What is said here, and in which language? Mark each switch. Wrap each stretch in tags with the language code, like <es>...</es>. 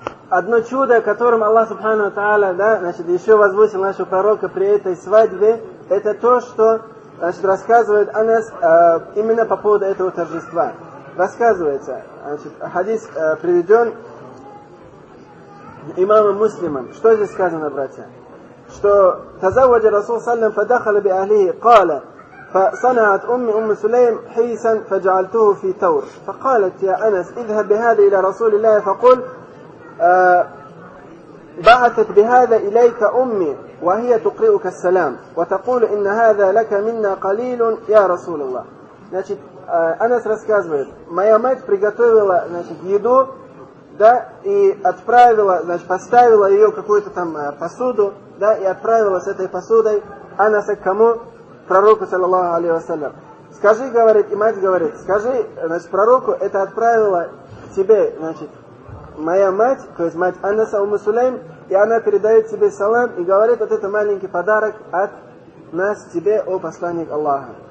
<ru>Одно чудо, которым Аллах Субхану Ва Та'аля, да, значит, еще возвысил нашего пророка при этой свадьбе, это то, что, значит, рассказывает Анас, именно по поводу этого торжества. Рассказывается, значит, хадис приведен имамом Муслимом. Что здесь сказано, братья?</ru> <ar>Что тазавваджа Расул Саллям фадахала би ахлихи, кала, فصنعت أمي أم سليم حيسا فجعلته في تور فقالت يا أنس اذهب بهذا إلى رسول الله فقل بعثت بهذا إليك أمي وهي تقرئك السلام وتقول إن هذا لك منا قليل يا رسول الله.</ar> <ru>Значит, Анас рассказывает: моя мать приготовила, значит, еду, да, и отправила, значит, поставила ее какую-то там посуду, да, и отправила с этой посудой Анаса к кому? Пророку, саллаллаху алейхи ва саллям. Скажи, говорит, и мать говорит, скажи, значит, пророку, это отправила к тебе, значит, моя мать, то есть мать Анаса у Мусулейм, и она передает тебе салам и говорит: вот это маленький подарок от нас тебе, о посланник Аллаха.</ru>